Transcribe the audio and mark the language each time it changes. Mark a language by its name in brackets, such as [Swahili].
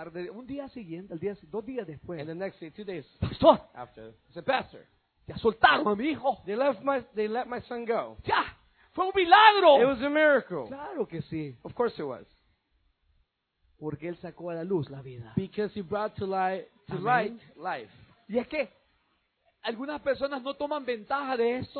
[Spanish] Un día siguiente, el día, dos días después. [English] And the next day, 2 days. [Spanish] Pastor, [English] after, I said, Pastor, [Spanish] ya soltaron a mi hijo. [English] They let my son go. [Spanish] Ya, fue un milagro. [English] It was a miracle. [Spanish] Claro que sí. [English] Of course it was. [Spanish] Porque él sacó a la luz la vida. [English] Because he brought to light, to light life. [Spanish] Y es que algunas personas no toman ventaja de eso.